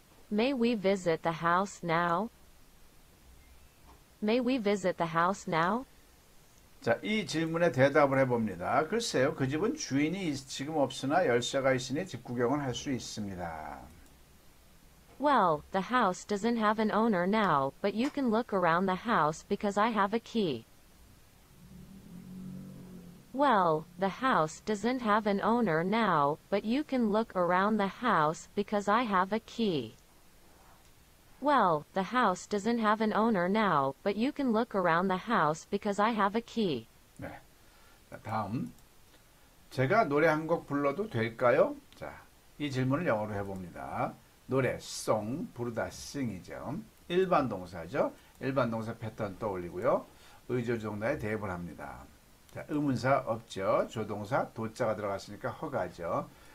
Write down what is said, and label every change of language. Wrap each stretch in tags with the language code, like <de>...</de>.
<en>May we visit the house now? May we visit the house now?</en> <ko>자, 이 질문에 대답을 해봅니다. 글쎄요, 그 집은 주인이 지금 없으나 열쇠가 있으니 집 구경을 할 수 있습니다.</ko> <en>Well, the house doesn't have an owner now, but you can look around the house because I have a key. Well, the house doesn't have an owner now, but you can look around the house because I have a key. Well, the house doesn't have an owner now, but you can look around the house because I have a key.</en> <ko>네. 자, 다음. 제가 노래 한 곡 불러도 될까요? 자, 이 질문을 영어로 해봅니다. 노래, song, 부르다, sing이죠. 일반 동사죠. 일반 동사 패턴 떠올리고요. 의조조동사에 대입을 합니다. 자, 의문사 없죠. 조동사, 도자가 들어갔으니까 허가죠.</ko>